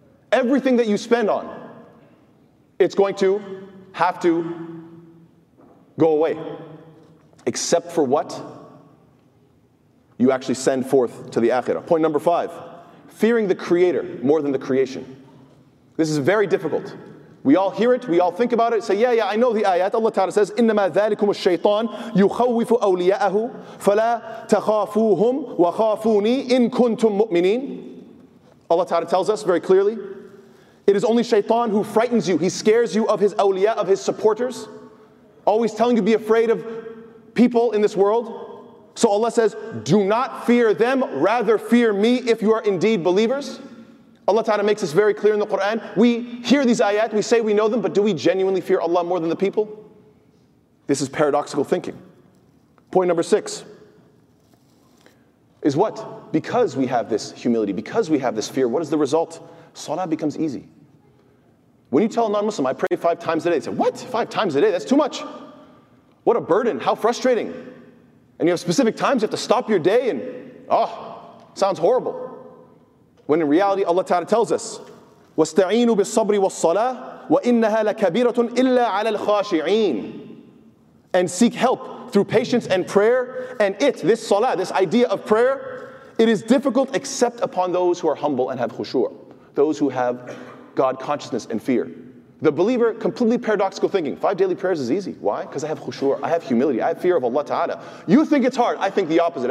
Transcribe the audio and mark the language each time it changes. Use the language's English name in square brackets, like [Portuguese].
[English] Everything that you spend on, it's going to have to go away. Except for what you actually send forth to the Akhirah. Point number five, fearing the Creator more than the creation. This is very difficult. We all hear it, we all think about it, say, yeah, I know the ayat. Allah Ta'ala says, [Arabic] إِنَّمَا ذَلِكُمُ الشَّيْطَانُ يُخَوِّفُ أَوْلِيَاءَهُ فَلَا تَخَافُوهُمْ وَخَافُونِي إِن كُنْتُمْ مُؤْمِنِينَ. [English] Allah Ta'ala tells us very clearly, it is only shaitan who frightens you. He scares you of his awliya, of his supporters, always telling you to be afraid of people in this world. So Allah says, do not fear them, rather fear me if you are indeed believers. Allah Ta'ala makes this very clear in the Quran. We hear these ayat, we say we know them, but do we genuinely fear Allah more than the people? This is paradoxical thinking. Point number six is what? Because we have this humility, because we have this fear, what is the result? Salah becomes easy. When you tell a non-Muslim, I pray five times a day, they say, what? Five times a day? That's too much. What a burden. How frustrating. And you have specific times, you have to stop your day and, oh, sounds horrible. When in reality, Allah Ta'ala tells us, [Arabic] وَاسْتَعِينُوا بِالصَّبْرِ وَالصَّلَاةِ وَإِنَّهَا لَكَبِيرَةٌ إِلَّا عَلَى الْخَاشِعِينَ. [English] And seek help through patience and prayer. And this salah, this idea of prayer, it is difficult except upon those who are humble and have khushu', those who have God consciousness and fear. The believer, completely paradoxical thinking. Five daily prayers is easy. Why? Because I have khushu', I have humility, I have fear of Allah Ta'ala. You think it's hard, I think the opposite.